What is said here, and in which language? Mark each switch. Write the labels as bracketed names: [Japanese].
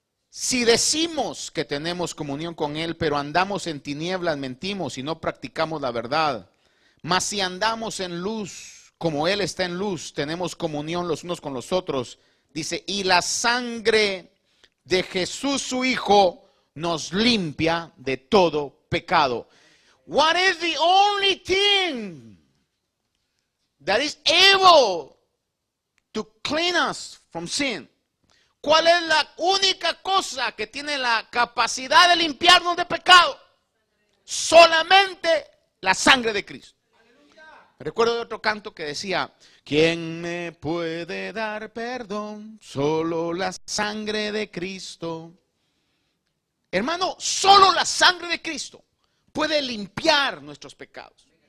[Spanish] Si decimos que tenemos comunión con él, pero andamos en tinieblas, mentimos y no practicamos la verdad. Mas si andamos en luz, como Él está en luz, tenemos comunión los unos con los otros. Dice, y la sangre de Jesús su Hijo nos limpia de todo pecado. [English] What is the only thing that is able to clean us from sin? [Spanish] ¿Cuál es la única cosa que tiene la capacidad de limpiarnos de pecado? Solamente la sangre de Cristo. Recuerdo de otro canto que decía, ¿quién me puede dar perdón? Solo la sangre de Cristo. Hermano, solo la sangre de Cristo puede limpiar nuestros pecados.